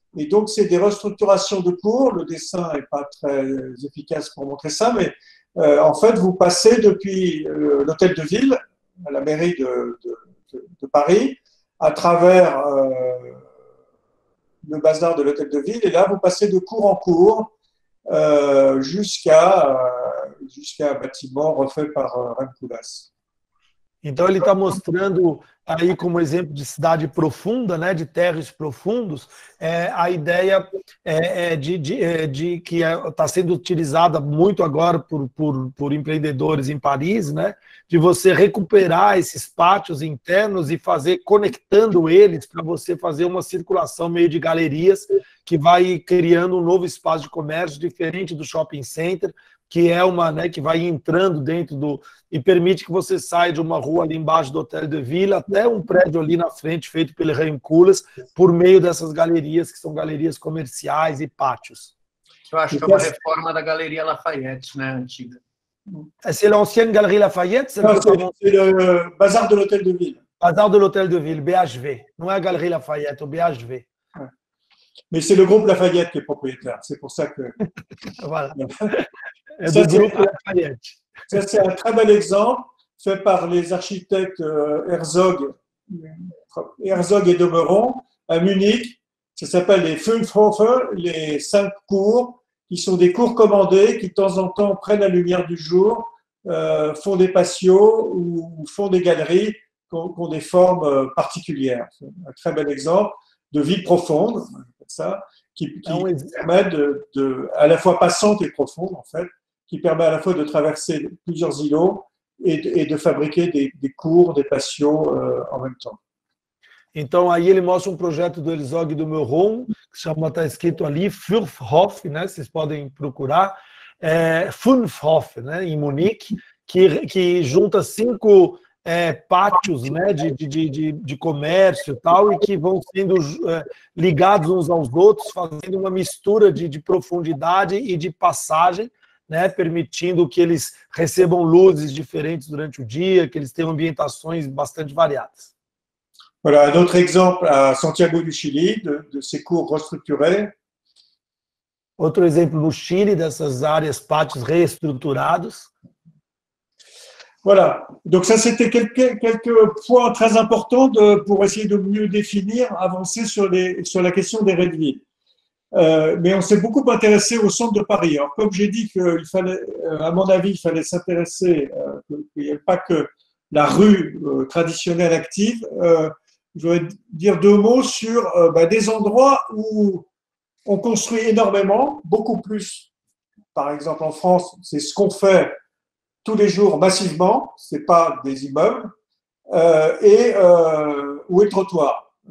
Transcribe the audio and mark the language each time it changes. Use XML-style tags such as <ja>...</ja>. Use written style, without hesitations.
<fr>Et donc, c'est des restructurations de cours. Le dessin n'est pas très efficace pour montrer ça, mais en fait, vous passez depuis l'hôtel de ville à la mairie de Paris, à travers le bazar de l'hôtel de ville, et là vous passez de cours en cours jusqu'à un bâtiment refait par Rem Koolhaas.</fr> <pt>Então ele está mostrando aí como exemplo de cidade profunda, né, de terras profundos, a ideia de que está sendo utilizada muito agora por empreendedores em Paris, né, de você recuperar esses pátios internos e fazer conectando eles para você fazer uma circulação meio de galerias que vai criando um novo espaço de comércio diferente do shopping center, que é uma, né, que vai entrando dentro do e permite que você saia de uma rua ali embaixo do Hotel de Ville até um prédio ali na frente feito pelo Rem Koolhaas por meio dessas galerias que são galerias comerciais e pátios. Eu acho que é uma reforma da Galeria Lafayette, né, antiga.</pt> <fr>C'est l'ancienne Galerie Lafayette, c'est le bazar de l'Hôtel de Ville. Bazar de l'Hôtel de Ville, BHV.</fr> <pt>Não é a Galerie Lafayette, é o BHV.</pt> <fr>Mais c'est le groupe Lafayette qui est propriétaire, c'est pour ça que voilà. Ça, c'est un très bel exemple fait par les architectes Herzog et Domeron à Munich. Ça s'appelle les Fünfhöfe, les cinq cours, qui sont des cours commandés qui, de temps en temps, prennent la lumière du jour, font des patios ou font des galeries qui ont des formes particulières. C'est un très bel exemple de vie profonde, ça, qui permet de, à la fois passante et profonde, en fait, qui permet à la fois de traverser plusieurs îlots et de fabriquer des cours, des patios en même temps.</fr> <pt>Então aí ele mostra um projeto do Herzog e do Meuron, que chama, tá escrito ali Fünfhof, né? Vocês podem procurar. Fünfhof, né, em Munique, que junta cinco pátios, né, de comércio e tal, e que vão sendo ligados uns aos outros, fazendo uma mistura de profundidade e de passagem, né, permitindo que eles recebam luzes diferentes durante o dia, que eles tenham ambientações bastante variadas.</pt> <fr>Voilà, un autre exemple à Santiago du Chili, de ces cours restructurés.</fr> <pt>Outro exemplo no Chile, dessas áreas, pátios reestruturados.</pt> <fr>Voilà, donc ça c'était quelques points très importants pour essayer de mieux définir, avancer sur la question des réduits. Mais on s'est beaucoup intéressé au centre de Paris. Alors, comme j'ai dit qu'il fallait, à mon avis, il fallait s'intéresser, qu'il n'y ait pas que la rue traditionnelle active, je voudrais dire deux mots sur des endroits où on construit énormément, beaucoup plus, par exemple en France, c'est ce qu'on fait tous les jours massivement, ce n'est pas des immeubles, et où est le trottoir.</fr>